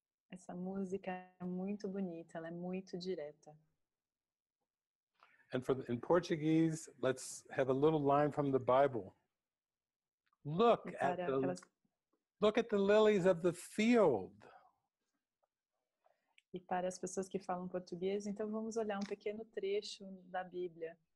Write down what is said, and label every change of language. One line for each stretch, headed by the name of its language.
Portuguese: Essa música é muito bonita, ela é muito direta.
English: And for the, in Portuguese, let's have a little line from the Bible. Look at the, look at the lilies of the field.
Portuguese: E para as pessoas que falam português, então vamos olhar um pequeno trecho da Bíblia.